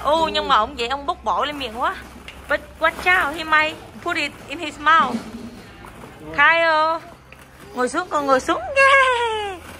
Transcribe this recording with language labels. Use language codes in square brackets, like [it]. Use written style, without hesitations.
[vi] Oh, nhưng mà ông vậy, ông bốc bỏ lên miệng quá. [en] But watch out, he might put it in his mouth. Kyle. [vi] Ngồi xuống, con ngồi xuống nha.